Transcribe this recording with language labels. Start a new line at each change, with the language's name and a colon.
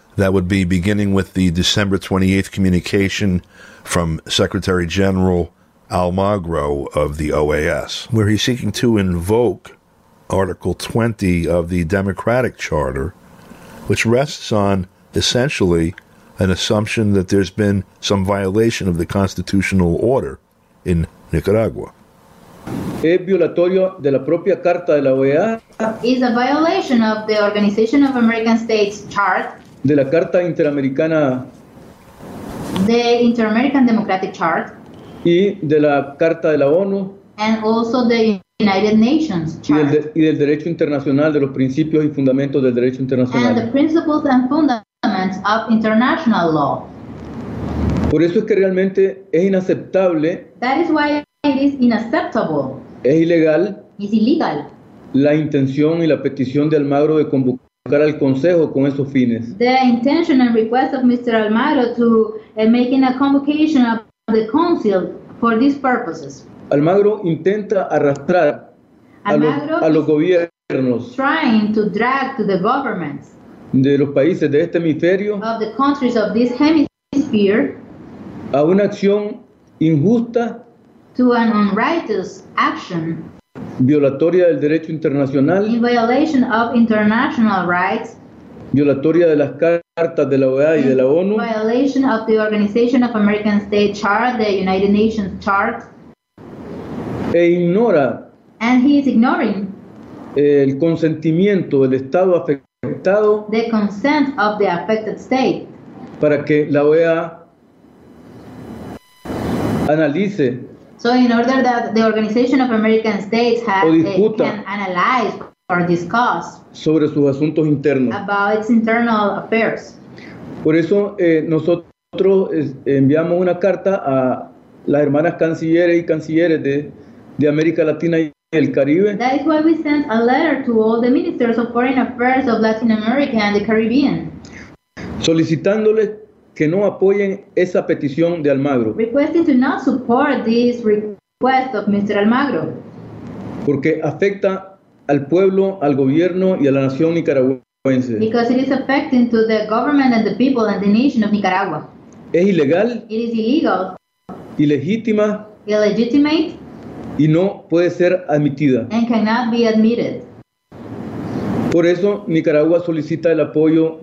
English: That would be beginning with the December 28th communication from Secretary General Almagro of the OAS, where he's seeking to invoke Article 20 of the Democratic Charter, which rests on essentially an assumption that there's been some violation of the constitutional order in Nicaragua.
Spanish: Es violatorio de la propia carta de la OEA.
English: Is a violation of the Organization of American States chart.
Spanish: De la carta interamericana.
English: The Inter-American Democratic Chart.
Spanish: Y de la carta de la ONU.
English: And also the United Nations chart.
Spanish: Y del derecho internacional, de los principios y fundamentos del derecho internacional.
English: And the principles and fundamentals of international law.
Spanish: Por eso es que realmente es inaceptable.
English: That is why it is unacceptable.
Spanish: Es ilegal.
English: Is illegal.
Spanish: La intención y la petición de Almagro de convocar al Consejo con esos fines.
English: The intention and request of Mr. Almagro to make a convocation of the Council for these purposes.
Spanish: Almagro intenta arrastrar a los gobiernos.
English: Trying to drag to the governments.
Spanish: De los países de este hemisferio.
English: Of the countries of this hemisphere.
Spanish: A una acción injusta,
English: to an unrighteous action,
Spanish: violatoria del derecho internacional,
English: in violation of international rights,
Spanish: violatoria de las cartas de la OEA y de la ONU,
English: violation of the Organization of American States chart, the United Nations chart,
Spanish: e ignora,
English: and he is ignoring,
Spanish: el consentimiento del Estado afectado,
English: the consent of the affected state,
Spanish: para que la OEA analice.
English: So in order that the Organization of American States can analyze or discuss
Spanish: sobre sus asuntos internos,
English: about its internal affairs.
Spanish: Por eso nosotros enviamos una carta a las hermanas cancilleres y cancilleres de América Latina y el Caribe.
English: That is why we sent a letter to all the ministers of foreign affairs of Latin America and the Caribbean.
Spanish: Solicitándoles que no apoyen esa petición de Almagro.
English: Requesting to not support this request of Mr. Almagro.
Spanish: Porque afecta al pueblo, al gobierno y a la nación nicaragüense.
English: Because it is affecting to the government and the people and the nation of Nicaragua.
Spanish: Es ilegal.
English: It is illegal.
Spanish: Ilegítima.
English: Illegitimate.
Spanish: Y no puede ser admitida.
English: And cannot be admitted.
Spanish: Por eso Nicaragua solicita el apoyo